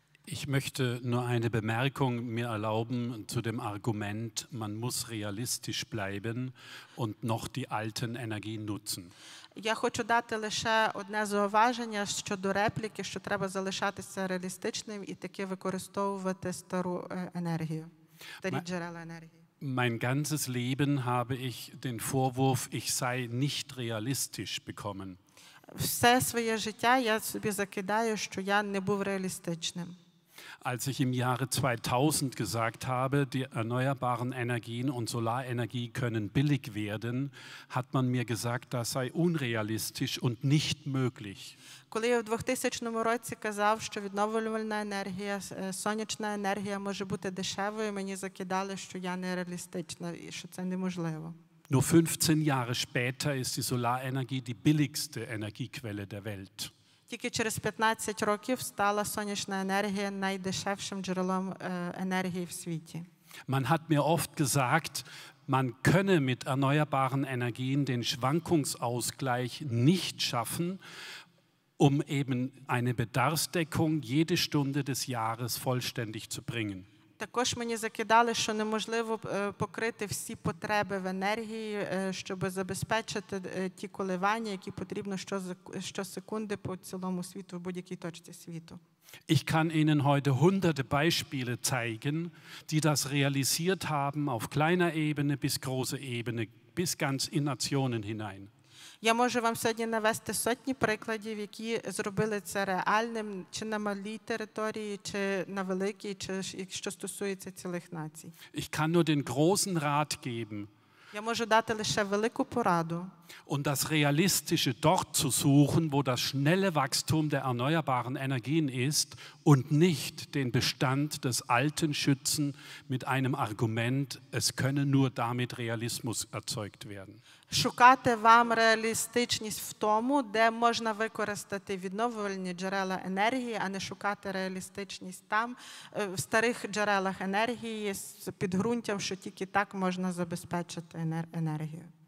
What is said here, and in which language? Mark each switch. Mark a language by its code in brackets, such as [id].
[de] Ich möchte nur eine Bemerkung mir erlauben zu dem Argument, man muss realistisch bleiben und noch die alten Energien nutzen. [uk] Я хочу дати лише одне зауваження щодо репліки, що треба залишатися реалістичним і таки використовувати стару енергію, старі джерела енергії. [de] Mein ganzes Leben habe ich den Vorwurf, ich sei nicht realistisch bekommen. [uk] Все своє життя я собі закидаю, що я не був реалістичним. [de] Als ich im Jahre 2000 gesagt habe, die erneuerbaren Energien und Solarenergie können billig werden, hat man mir gesagt, das sei unrealistisch und nicht möglich. [uk] Коли я в 2000 році казав, що відновлювальна енергія, сонячна енергія може бути дешевою, мені закидали, що я нереалістична і що це неможливо. [de] Nur 15 Jahre später ist die Solarenergie die billigste Energiequelle der Welt. [uk] Тільки через 15 років стала сонячна енергія найдешевшим джерелом енергії в світі. [de] Man hat mir oft gesagt, man könne mit erneuerbaren Energien den Schwankungsausgleich nicht schaffen, um eben eine Bedarfsdeckung jede Stunde des Jahres vollständig zu bringen. [uk] Також мені закидали, що неможливо покрити всі потреби в енергії, щоб забезпечити ті коливання, які потрібно щосекунди по цілому світу, в будь-якій точці світу. [de] Ich kann Ihnen heute hunderte Beispiele zeigen, die das realisiert haben auf kleiner Ebene bis große Ebene, bis ganz in Nationen hinein. [uk] Я можу вам сьогодні навести сотні прикладів, які зробили це реальним, чи на малій території, чи на великій, чи якщо стосується цілих націй. [de] Ich kann nur den großen Rat geben. [uk] Я можу дати лише велику пораду. [de] Und das Realistische dort zu suchen, wo das schnelle Wachstum der erneuerbaren Energien ist und nicht den Bestand des Alten schützen mit einem Argument, es könne nur damit Realismus erzeugt werden. [uk] Шукати вам реалістичність в тому, де можна використати відновлювальні джерела енергії, а не шукати реалістичність там, в старих джерелах енергії, з підґрунтям, що тільки так можна забезпечити енергію.